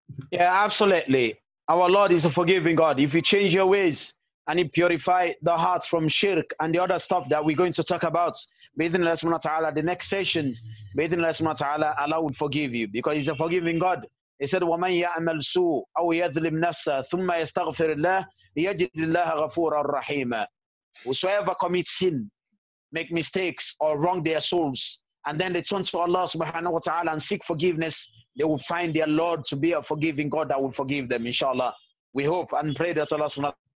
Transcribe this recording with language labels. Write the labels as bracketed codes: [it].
[en] Yeah, absolutely. Our Lord is a forgiving God. If you change your ways and you purify the heart from shirk and the other stuff that we're going to talk about, bidhin Allah subhanahu wa ta'ala, the next session, bidhin Allah subhanahu wa ta'ala, Allah will forgive you because he's a forgiving God. He said, [ar] وَمَنْ يَعْمَلْ سُوءٌ أَوْ يَذْلِمْ نَفْسَهُ ثُمَّ يَسْتَغْفِرِ اللَّهِ يَجِدِ اللَّهَ غَفُورًا رَحِيمًا. [en] Whosoever commits sin, make mistakes or wrong their souls, and then they turn to Allah subhanahu wa ta'ala and seek forgiveness, they will find their Lord to be a forgiving God that will forgive them, inshallah. We hope and pray that Allah subhanahu wa ta'ala.